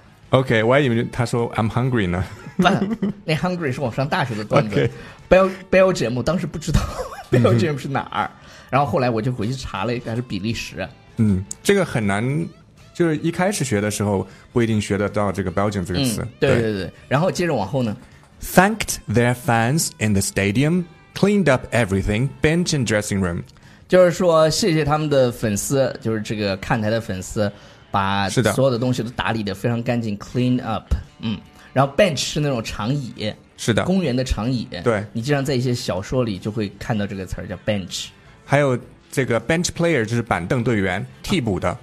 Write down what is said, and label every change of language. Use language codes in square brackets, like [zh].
[zh] OK， 我还以为他说 [en] I'm hungry [zh] 呢。那 hungry 是我上大学的段子。Belgium 当时不知道 Belgium 是哪儿，然后后来我就回去查了一下，还是比利时。嗯，这个很难，就是一开始学的时候不一定学得到这个 Belgium 这个词。对对对，然后接着往后呢 [en] ，thanked their fans in the stadium, cleaned up everything, bench and dressing room。 [zh] 就是说谢谢他们的粉丝，就是这个看台的粉丝，把所有的东西都打理得非常干净 ，clean up。嗯。然后 bench 是那种长椅，是的，公园的长椅。对，你经常在一些小说里就会看到这个词叫 bench。还有这个 bench player 就是板凳队员，替补的。